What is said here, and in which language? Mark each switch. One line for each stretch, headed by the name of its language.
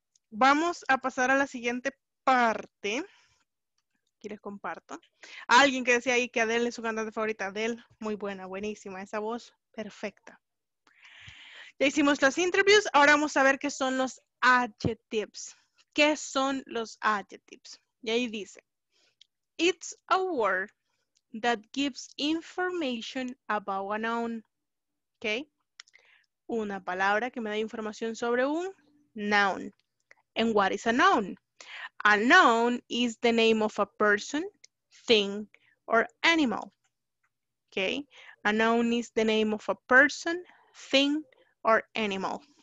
Spanish: Vamos a pasar a la siguiente parte. Aquí les comparto. Alguien que decía ahí que Adele es su cantante favorita. Adele, muy buena, buenísima. Esa voz, perfecta. Ya hicimos las interviews. Ahora vamos a ver qué son los adjectives. ¿Qué son los adjectives? Y ahí dice.
English: It's a word that gives information about a noun.
Spanish: ¿Ok? Una palabra que me da información sobre un noun.
English: And what is a noun? A noun is the name of a person, thing, or animal. Okay? A noun is the name of a person, thing, or animal.